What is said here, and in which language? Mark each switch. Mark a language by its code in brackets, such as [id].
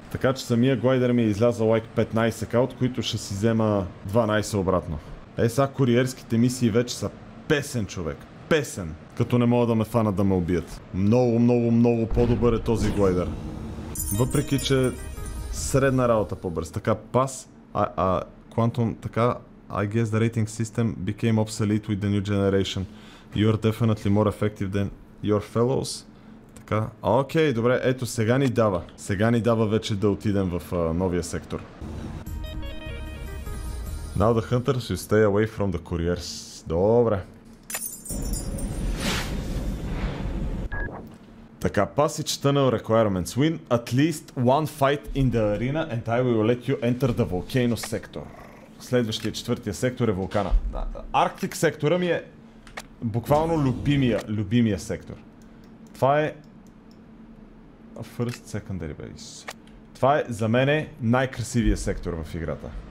[bg] Така че самия глайдер ми е излязал лайк 15к, от които ще си взема 12 обратно. Е, сега куриерските мисии вече са песен, човек. Песен, като не мога да ме фанат да ме убият. Много, много, много по-добър е този глайдер. Въпреки, че средна работа по-бърз. Така, пас, [en] Quantum, [bg] така, [en] I guess the rating system became obsolete with the new generation. You are definitely more effective than your fellows. [bg] Така, окей, добре, ето сега ни дава. Сега ни дава вече да отидем в новия сектор. [en] Now the hunters will stay away from the couriers. [bg] Добре. Така, [en] passage tunnel requirements. Win at least one fight in the arena and I will let you enter the volcano sector. [bg] Следващия, четвъртия сектор е вулкана. Arctic сектора ми е буквално любимия сектор. Това е [en] first secondary base. [bg] Това е за мен най-красивия сектор в играта.